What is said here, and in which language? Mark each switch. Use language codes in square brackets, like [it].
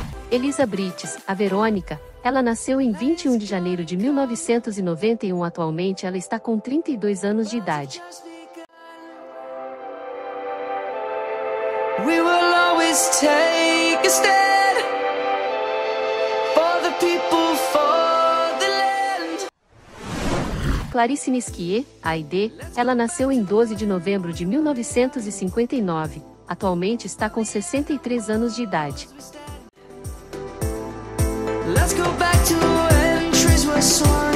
[pt] Elisa Brites, a Verônica, ela nasceu em 21 de janeiro de 1991, atualmente ela está com 32 anos de idade. [en] We will always take a stand for the people, for the land. [pt] Clarice Nisquier, Aide, ela nasceu em 12 de novembro de 1959, atualmente está com 63 anos de idade. [en] Let's go back to when trees were swung.